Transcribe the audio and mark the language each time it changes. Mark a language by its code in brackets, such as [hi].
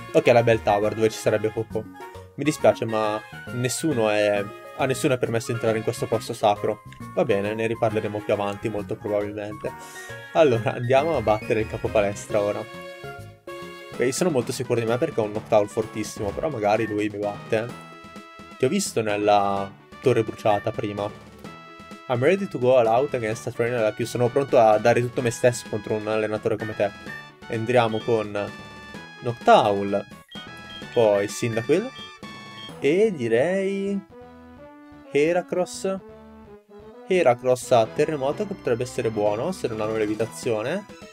[it] Ok, la Bell Tower, dove ci sarebbe Coco. Mi dispiace, ma a nessuno è permesso entrare in questo posto sacro. Va bene, ne riparleremo più avanti, molto probabilmente. Allora, andiamo a battere il capo palestra ora. Beh, sono molto sicuro di me perché ho un Noctowl fortissimo, però magari lui mi batte. Ti ho visto nella torre bruciata prima. [en] I'm ready to go all out against a trainer like you. [it] Sono pronto a dare tutto me stesso contro un allenatore come te. Entriamo con Noctowl, poi Cyndaquil e direi Heracross. Heracross a terremoto che potrebbe essere buono se non hanno levitazione.